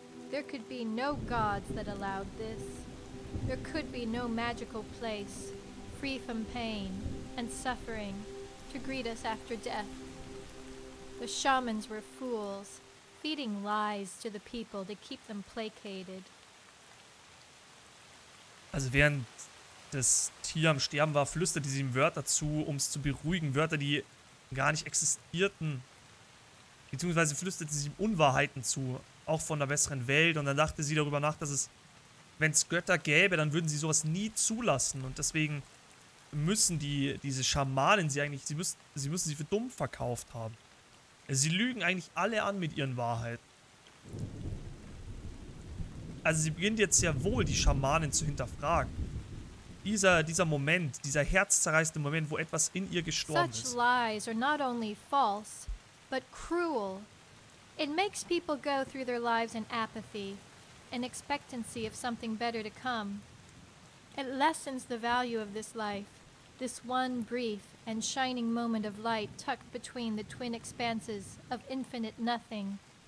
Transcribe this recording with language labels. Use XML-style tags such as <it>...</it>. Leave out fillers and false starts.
<en>There could be no gods that allowed this. There could be no magical place, free from pain and suffering, to greet us after death. The shamans were fools, feeding lies to the people to keep them placated.</en> <de>Also während das Tier am Sterben war, flüsterte sie ihm Wörter zu, um es zu beruhigen. Wörter, die gar nicht existierten. Beziehungsweise flüsterte sie ihm Unwahrheiten zu, auch von der besseren Welt. Und dann dachte sie darüber nach, dass es, wenn es Götter gäbe, dann würden sie sowas nie zulassen. Und deswegen müssen diese Schamanen sie eigentlich, sie müssen sie für dumm verkauft haben. Sie lügen eigentlich alle an mit ihren Wahrheiten. Also sie beginnt jetzt sehr wohl, die Schamanen zu hinterfragen. Dieser Moment, dieser herzzerreißende Moment, wo etwas in ihr gestorben ist.</de> <en>Such lies are not only false, but cruel. It makes people go through their lives in apathy, in expectancy of something better to come. It lessens the value of this life. This one brief and shining moment of light tucked between the twin expanses of infinite nothing.</en>